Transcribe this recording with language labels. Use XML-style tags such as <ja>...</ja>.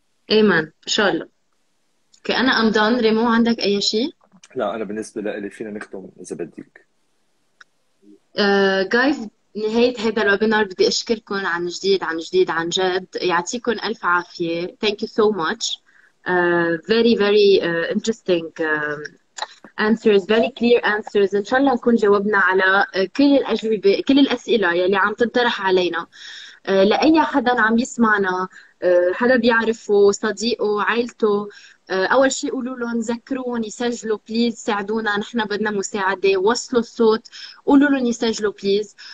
<ar>إيمان إن شاء الله. كأنا أم دان ريمو، عندك أي شيء؟ لا أنا بالنسبة لي فينا نختم إذا بديك. جايز، نهاية هذا الويبينار بدي أشكركم عن جديد عن جديد عن جد، يعطيكم ألف عافية.</ar> <en>Thank you so much. Very, very interesting answers, very clear answers.</en> <ar>إن شاء الله نكون جاوبنا على كل الأجوبة، كل الأسئلة يلي عم تطرح علينا. لأي حدا عم يسمعنا، حدا بيعرفه، صديقه، عائلته، أول شيء قولوا لهم ذكرون يسجلوا بليز، ساعدونا، نحن بدنا مساعدة، وصلوا الصوت، قولوا لهم يسجلوا بليز.</ar>